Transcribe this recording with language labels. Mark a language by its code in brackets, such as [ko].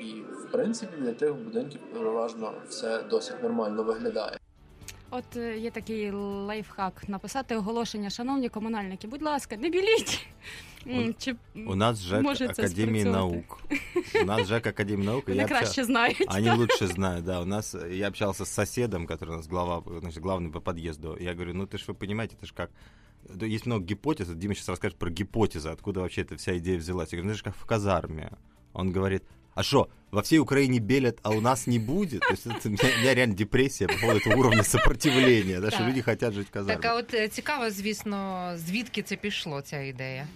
[uk] І, в принципі, для тих будинків переважно все досить нормально виглядає. От є такий лайфхак – написати оголошення, шановні комунальники, будь ласка, не біліть. Чи у нас ЖЕК Академії наук. У нас ЖЕК Академії наук. Вони краще знають. [ru] Они лучше знают, да. У нас, я общался с соседом, который у нас глава, значит, главный по подъезду. Я говорю, ну ты же вы понимаете, это же как... Есть много гипотез. Дима сейчас расскажет про гипотезы, откуда вообще эта вся идея взялась. Я говорю, ну это же как в казарме. Он говорит... А что, во всей Украине белят, а у нас не будет? То есть это, у меня реально депрессия по поводу этого уровня сопротивления, да, что люди хотят жить в казарме. [uk] Так, а вот цікаво, звісно, звідки це пішло, ця ідея?